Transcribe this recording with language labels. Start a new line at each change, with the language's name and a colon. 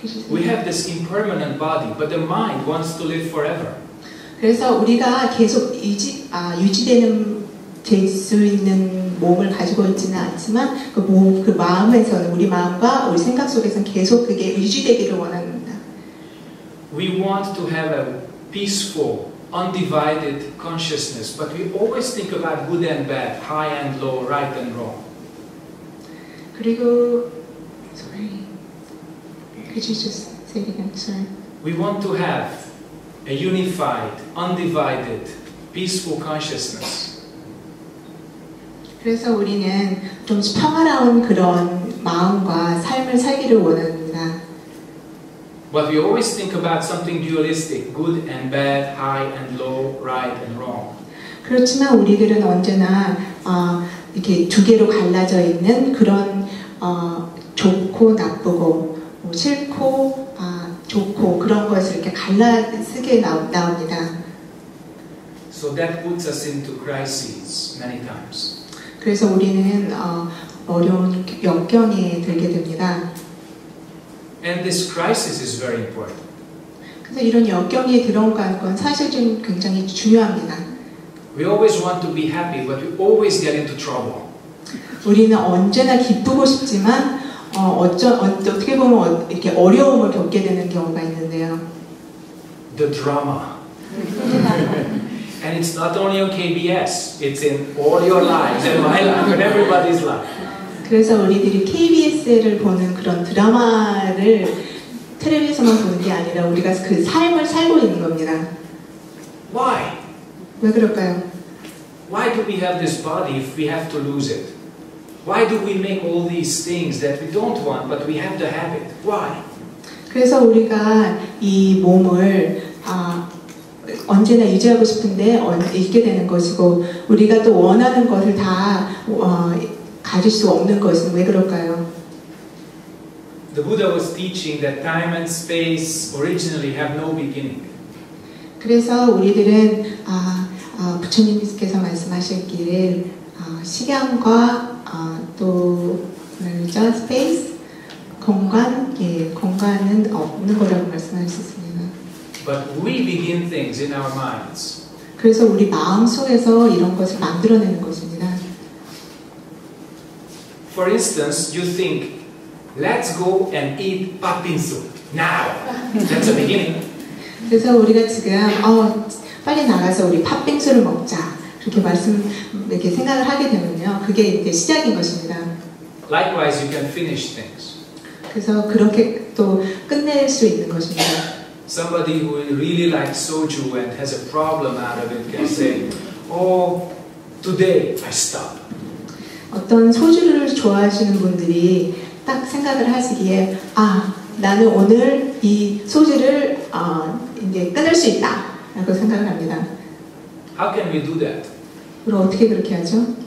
English: We have this impermanent body, but the mind wants to live forever.
Korean: 그래서 우리가 계속 유지되는 될 수 있는 몸을 가지고 있지는 않지만 그 마음에서는 우리 마음과 우리 생각 속에서는 계속 그게 유지되기를 원합니다.
English: We want to have a peaceful, undivided consciousness, but we always think about good and bad, high and low, right and wrong.
Korean: 그리고
English: Could you just say it again? We want to have a unified, undivided, peaceful consciousness.
Korean: 그래서 우리는 좀 평화로운 그런 마음과 삶을 살기를 원합니다.
English: But we always think about something dualistic, good and bad, high and low, right and wrong.
Korean: 그렇지만 우리들은 언제나 이렇게 두 개로 갈라져 있는 그런 좋고 나쁘고 뭐 싫고 좋고 그런 것을 이렇게 갈라쓰게 나옵니다.
English: So that puts us into crises many times.
Korean: 그래서 우리는 어려운 역경에 들게 됩니다.
English: And this crisis is very important.
Korean: 그래서 이런 역경에 들어간 건 사실 좀 굉장히 중요합니다.
English: We always want to be happy, but we always get into trouble.
Korean: 우리는 언제나 기쁘고 싶지만 어떻게 보면 이렇게 어려움을 겪게 되는 경우가 있는데요.
English: The drama. And it's not only on KBS. It's in all your lives, in my life, in everybody's life.
Korean: 그래서 우리들이 KBS를 보는 그런 드라마를 텔레비전에서만 보는 게 아니라 우리가 그 삶을 살고 있는 겁니다.
English: Why?
Korean: 왜 그럴까요?
English: Why do we have this body if we have to lose it? Why do we make all these things that we don't want but we have to have it? Why?
Korean: 그래서 우리가 이 몸을 언제나 유지하고 싶은데 잃게 되는 것이고 우리가 또 원하는 것을 다 가질 수 없는 것은 왜 그럴까요?
English: The Buddha was teaching that time and space originally have no beginning.
Korean: 그래서 우리들은 부처님께서 말씀하셨길 시간과 또 뭐죠?
English: space
Korean: 공간 예 공간은 없는 거라고 말씀하셨습니다.
English: But we begin things in our minds.
Korean: 그래서 우리 마음 속에서 이런 것을 만들어내는 것입니다.
English: For instance, you think, let's go and eat pumpkin soup now. That's a beginning.
Korean: 그래서 우리가 지금 빨리 나가서 우리 팥빙수를 먹자 이렇게 말씀 이렇게 생각을 하게 되면요 그게 이제 시작인 것입니다.
English: Likewise, you can finish things.
Korean: 그래서 그렇게 또 끝낼 수 있는 것입니다.
English: Somebody who really likes soju and has a problem out of it can say, "Oh, today I stop."
Korean: 어떤 소주를 좋아하시는 분들이 딱 생각을 하시기에 아 나는 오늘 이 소주를 이제 끊을 수 있다. 라고 생각을 합니다.
English: How can we do that?
Korean: 우리 어떻게 그렇게 하죠?